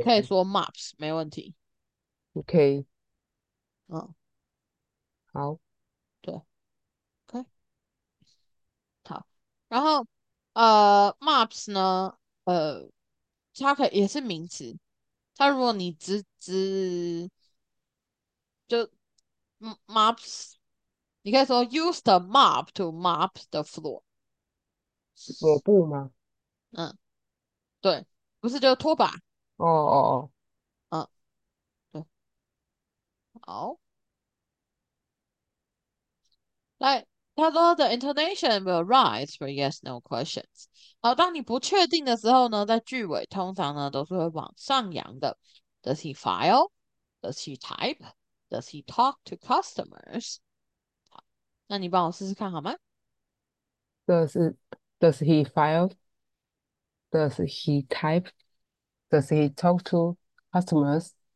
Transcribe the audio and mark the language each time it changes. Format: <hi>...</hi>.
<zh>可以说 mops，没问题。 OK，好。然后mops 呢，它可以也是名词。它如果你就 mops，你可以说 use the mop to mop the floor。抹布吗？对。不是就拖把，哦哦哦。</zh> <en>好，来，他说 the intonation will rise for yes no questions。</en> <zh>好，当你不确定的时候呢，在句尾通常呢都是会往上扬的。</zh> <en>Does he file? Does he type? Does he talk to customers?</en> <zh>那你帮我试试看好吗？</zh> <en>Does he file? Does he type? Does he talk to customers?</en>